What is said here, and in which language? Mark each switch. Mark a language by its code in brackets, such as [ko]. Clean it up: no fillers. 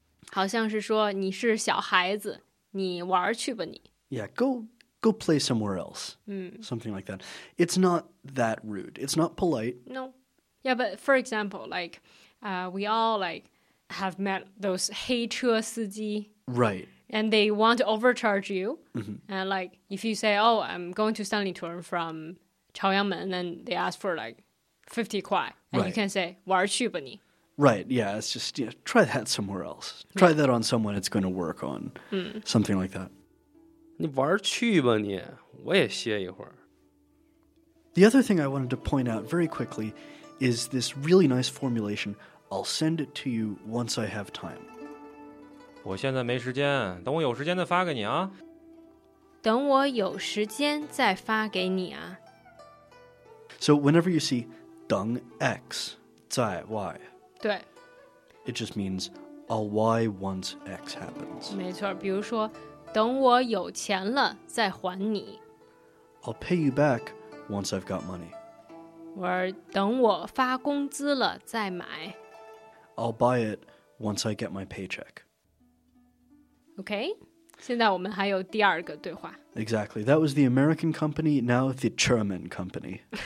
[zh] 好像是说你是小孩子,你玩去吧你。 [en] Yeah, go play somewhere else, something like that. It's not that rude. It's not polite. No. Yeah, but for example, like, we all, like, have met those [zh] 黑车司机. [en] Right. And they want to overcharge you. Mm-hmm. And, like, if you say, oh, I'm going to Sanlitun from Chaoyangmen, and then they ask for, like, 50 kuai. And right. you can say, [zh] 玩去吧你. [en] Right, yeah. It's just, yeah, try that somewhere else. Try that on someone it's going to work on. Something like that. [zh] 你玩去吧你，我也歇一会儿。 [en] The other thing I wanted to point out very quickly is this really nice formulation, I'll send it to you once I have time. [zh] 我现在没时间，等我有时间再发给你啊。等我有时间再发给你啊。 [en] So whenever you see 等 X, 在 Y. [zh] 对。 [en] It just means I'll Y once X happens. [zh] 没错，比如说等我有钱了再还你。 [en] I'll pay you back once I've got money. [zh] 我等我发工资了再买。 [en] I'll buy it once I get my paycheck. [zh] Okay, 现在我们还有第二个对话。 [en] Exactly, that was the American company, now the German company.